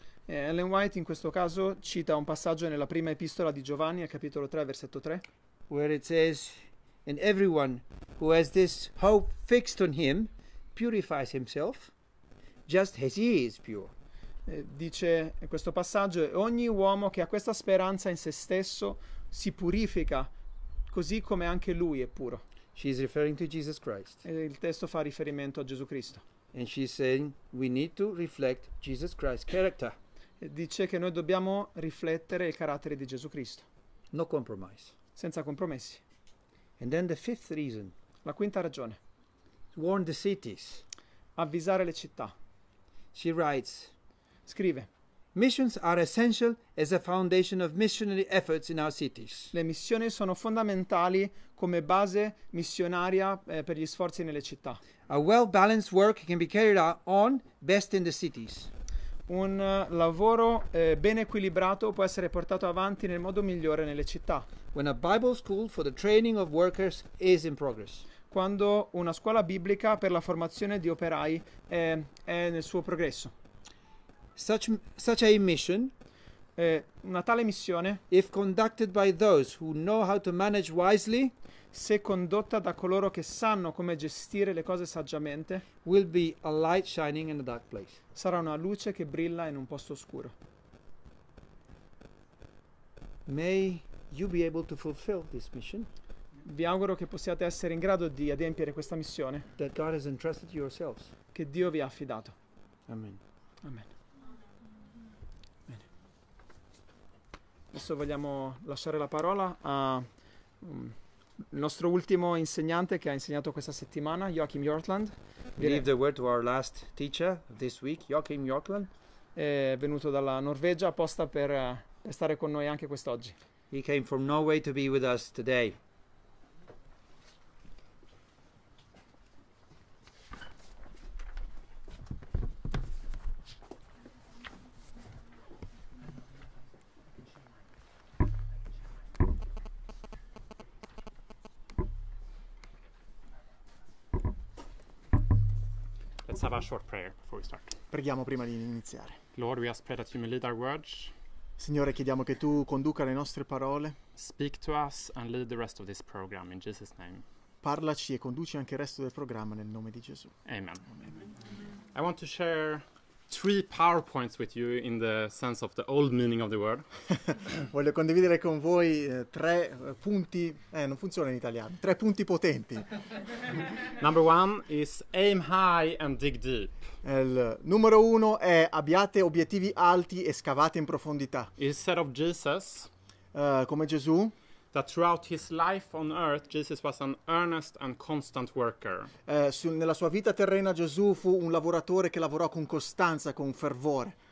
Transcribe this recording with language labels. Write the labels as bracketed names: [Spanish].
[Italian] Ellen White in questo caso cita un passaggio nella prima epistola di Giovanni al capitolo 3 versetto 3, [English] where it says, and everyone who has this hope fixed on him purifies himself just as he is pure. [Italian] Dice questo passaggio, ogni uomo che ha questa speranza in se stesso si purifica così come anche lui è puro. [English] She is referring to Jesus Christ. [Italian] E il testo fa riferimento a Gesù Cristo. [English] And she's saying we need to reflect Jesus Christ's character. [Italian] Dice che noi dobbiamo riflettere il carattere di Gesù Cristo. [English] No compromise. [Italian] Senza compromessi. [English] And then the fifth reason. [Italian] La quinta ragione. [English] Warn the cities. [Italian] Avvisare le città. [English] She writes. [Italian] Scrive. [English] Missions are essential as a foundation of missionary efforts in our cities. [Italian] Le missioni sono fondamentali come base missionaria per gli sforzi nelle città. [English] A well-balanced work can be carried out on best in the cities. [Italian] Un lavoro ben equilibrato può essere portato avanti nel modo migliore nelle città. [English] When a Bible school for the training of workers is in progress. [Italian] Quando una scuola biblica per la formazione di operai è nel suo progresso. [English] Such a mission, [Italian] una tale missione, [English] if conducted by those who know how to manage wisely, [Italian] se condotta da coloro che sanno come gestire le cose saggiamente, [English] will be a light shining in a dark place. [Italian] Sarà una luce che brilla in un posto oscuro. [English] May you be able to fulfill this mission. [Italian] Vi auguro che possiate essere in grado di adempiere questa missione [English] that God has entrusted to yourselves. [Italian] Che Dio vi ha affidato. [English] Amen. [Italian] Amen. Bene. Adesso vogliamo lasciare la parola a il nostro ultimo insegnante che ha insegnato questa settimana, Joachim Jortland. [English] Leave the word to our last teacher this week, Joachim Jortland. [Italian] È venuto dalla Norvegia apposta per stare con noi anche quest'oggi. [English] He came from Norway to be with us today. Let's have a short prayer before we start. [Italian] Preghiamo prima di iniziare. [English] Lord, we ask pray that you may lead our words. [Italian] Signore, chiediamo che tu conduca le nostre parole. [English] Speak to us and lead the rest of this program in Jesus' name. [Italian] Parlaci e conduci anche il resto del programma nel nome di Gesù. Amen. Amen. [English] I want to share three PowerPoints with you in the sense of the old meaning of the word. [Italian] Voglio condividere con voi tre punti. Non funziona in italiano. Tre punti potenti. [English] Number one is aim high and dig deep. [Italian] Il numero uno è abbiate obiettivi alti e scavate in profondità. [English] Instead of Jesus, [Italian] come Gesù. [English] That throughout his life on earth, Jesus was an earnest and constant worker. [Italian] Nella sua vita terrena, Gesù fu un lavoratore che lavorò con costanza, con fervore.